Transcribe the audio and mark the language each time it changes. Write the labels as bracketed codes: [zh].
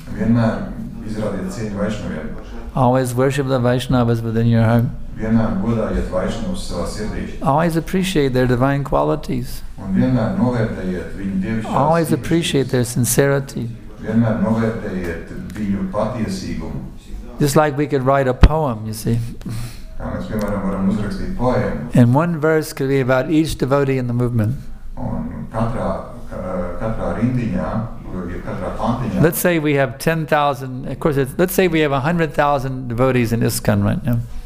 [lv] Vienmēr izrādiet cieņu Vaishnaviem. [en] Always worship the Vaishnavas within your heart. [lv] Vienmēr godājiet Vaishnavas savā sirdī. [en] Always appreciate their divine qualities. [lv] Un vienmēr novērtējiet viņu dievišķās. [en] Always appreciate their sincerity. [lv] Vienmēr novērtējiet viņu patiesīgumu. [en] Just like we could write a poem, you see. And one verse could be about each devotee in the movement. Let's say we have 10,000, of course, let's say we have 100,000 devotees in ISKCON right now.